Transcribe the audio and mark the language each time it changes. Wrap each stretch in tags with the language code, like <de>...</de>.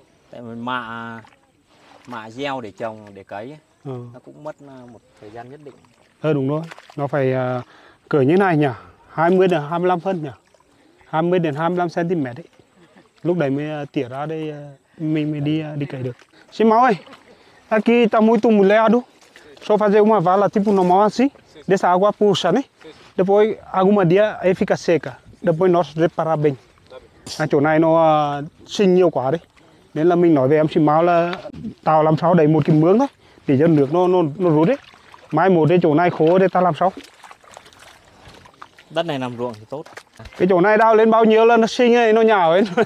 <vi>Tại mình mạ gieo để trồng để cấy. Nó cũng mất một thời gian nhất định. Đúng rồi. Nó phải cỡ như này nhỉ. 20 đến 25 phân nhỉ. 20 đến 25 cm ấy. Lúc đấy mới tỉa ra đây mình mới đi cấy được. Xin máu ơi.</vi> <pt>Aqui tá muito molhado. Só fazer uma vala tipo normal assim, dessa água puxa, né? Depois algum dia aí fica seca. Depois nós reparar bem.</pt> <vi>À, chỗ này nó sinh nhiều quá đấy. Nên là mình nói với em xin máu là tao làm sao đẩy một cái mướng thôi để cho nước nó rút đấy. Mai một cái chỗ này khô để ta làm sao? Đất này làm ruộng thì tốt. Cái chỗ này đào lên bao nhiêu là nó sinh ấy, nó nhào ấy.</vi>